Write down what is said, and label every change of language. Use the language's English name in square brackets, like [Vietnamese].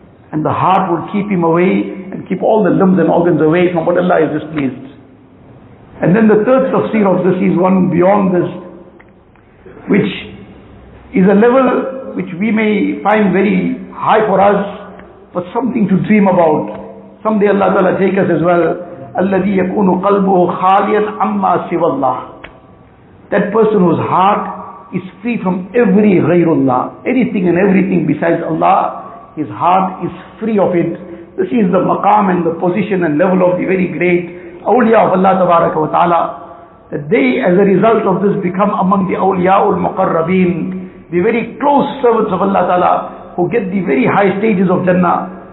[English] And the heart will keep him away and keep all the limbs and organs away from what Allah is displeased. And then the third tafsir of this is one beyond this, which is a level which we may find very high for us, but something to dream about. Someday Allah Ta'ala take us as well. [Arabic] الَّذِي يَكُونُ قَلْبُهُ خَالِيًا عَمَّا سِوَى اللَّهِ. [English] That person whose heart is free from every ghayrullah, anything and everything besides Allah, his heart is free of it. This is the maqam and the position and level of the very great awliya of Allah tabaraka wa ta'ala. That they as a result of this become among the awliyaul muqarrabeen, the very close servants of Allah ta'ala, who get the very high stages of Jannah.